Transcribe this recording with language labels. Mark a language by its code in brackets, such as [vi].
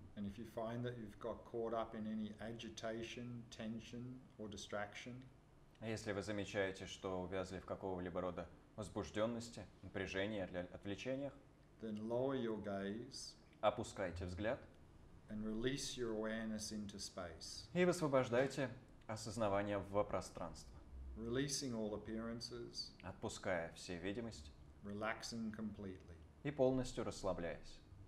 [en] if you find that you've got caught up in any agitation, tension or distraction, [ru] если вы замечаете, что увязли в какого-либо рода возбужденности, напряжении или отвлечениях, [en] then lower your gaze, [ru] опускайте взгляд, [en] and release your awareness into space, [ru] и высвобождайте осознавание в пространство, [en] releasing all appearances, [ru] отпуская все видимости, [en] relaxing completely, [ru] и полностью расслабляясь.